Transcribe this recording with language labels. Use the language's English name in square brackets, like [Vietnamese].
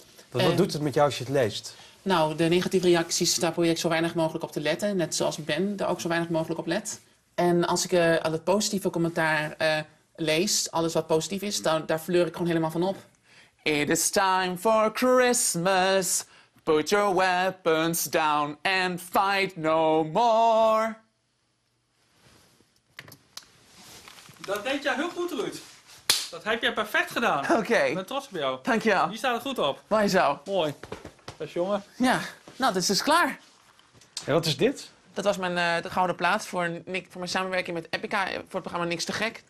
[Dutch] Wat doet het met jou als je het leest? Nou, de negatieve reacties, daar probeer ik zo weinig mogelijk op te letten. Net zoals Ben daar ook zo weinig mogelijk op let. En als ik al het positieve commentaar lees, alles wat positief is, daar fleur ik gewoon helemaal van op. [English] It is time for Christmas. Put your weapons down and fight no more. [Dutch] Dat deed jij heel goed, Ruud. Dat heb jij perfect gedaan. Oké. Okay. Ik ben trots op jou. Dank je wel. Hier staat het goed op. Mooi zo. Mooi. Dat is jongen. Ja. Nou, dit is dus klaar. En wat is dit? Dat was mijn de gouden plaat voor mijn samenwerking met Epica voor het programma Niks te Gek.